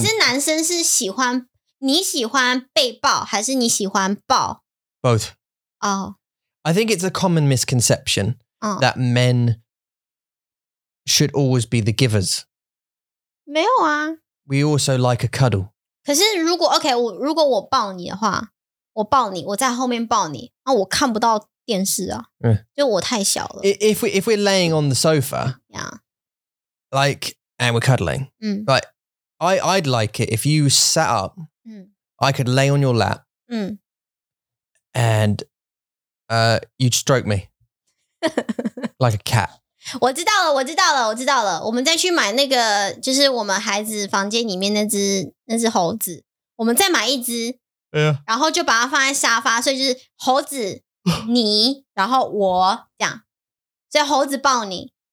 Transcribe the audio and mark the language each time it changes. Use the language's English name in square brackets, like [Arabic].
[Chinese] 可是男生是喜欢你喜欢被抱还是你喜欢抱 [English] Both. Oh. I think it's a common misconception that men should always be the givers. [Chinese] 没有啊。 [English] We also like a cuddle. [Chinese] 可是如果 OK, 如果我抱你的话我抱你我在后面抱你那我看不到电视啊。就我太小了。 [English] If we're laying on the sofa, yeah. like, and we're cuddling, but I'd like it if you sat up,I could lay on your lap and you'd stroke me like a cat. [Chinese] 我知道了，我知道了，我知道了。我们再去买那个，就是我们孩子房间里面那只猴子。我们再买一只， [English] yeah. [Chinese] 然后就把它放在沙发，所以就是猴子你，然后我这样，所以猴子抱你，